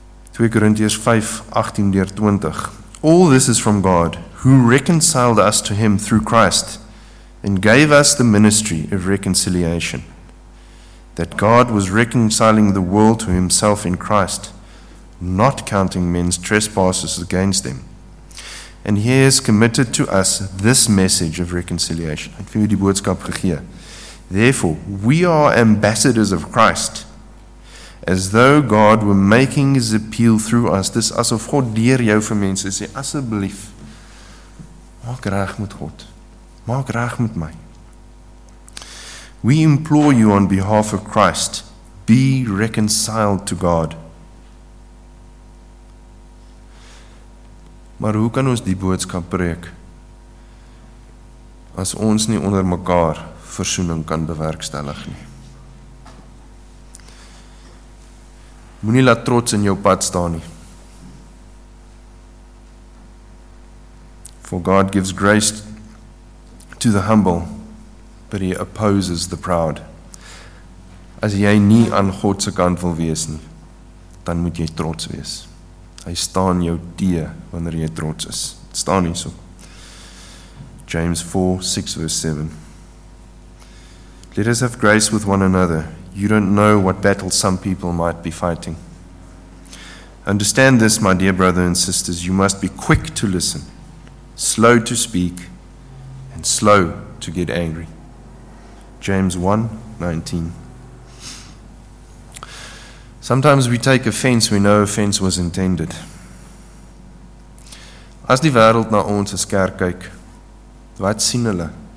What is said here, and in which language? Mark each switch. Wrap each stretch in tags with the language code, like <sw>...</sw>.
<en>2 Korintiërs 5:18-20. All this is from God, who reconciled us to Him through Christ and gave us the ministry of reconciliation. That God was reconciling the world to Himself in Christ, not counting men's trespasses against them. And He has committed to us this message of reconciliation.</en> <af>Ek vind die boodskap gegee.</af> <en>Therefore, we are ambassadors of Christ, as though God were making His appeal through us.</en> <af>Dis asof God deur jou vir mense sê, asseblief, maak reg met God. Maak reg met my.</af> <en>We implore you on behalf of Christ, be reconciled to God.</en> <af>Maar hoe kan ons die boodskap preek as ons nie onder mekaar versoening kan bewerkstellig nie? Moenie laat trots in jou pad staan nie.</af> <en>For God gives grace to the humble, but He opposes the proud.</en> <af>As jy nie aan God se kant wil wees nie, dan moet jy trots wees. Hy staan jou teë wanneer jy trots is. Het staan hierso. James 4:6-7.</af> <en>Let us have grace with one another. You don't know what battle some people might be fighting. Understand this, my dear brother and sisters. You must be quick to listen, slow to speak, and slow to get angry. James 1:19. Sometimes we take offense when no offense was intended.</en> <af>As die wêreld na ons as kerk kyk, wat sien hulle?</af>